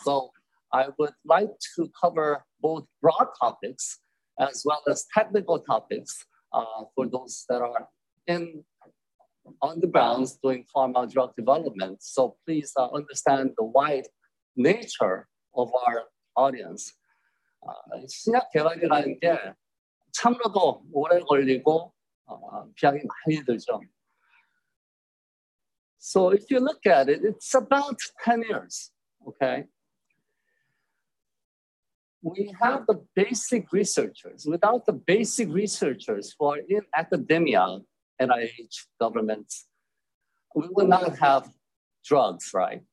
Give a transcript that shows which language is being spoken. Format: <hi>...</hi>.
<en>So I would like to cover both broad topics as well as technical topics for those that are on the grounds doing pharma drug development. So please understand the wide nature of our audience.</en> <ko>신약 개발이라는 게 참으로도 오래 걸리고 비약이 많이 들죠.</ko> <en>So if you look at it, it's about 10 years, okay? We have the basic researchers. Without the basic researchers who are in academia, NIH, governments, we would not have drugs, right?</en>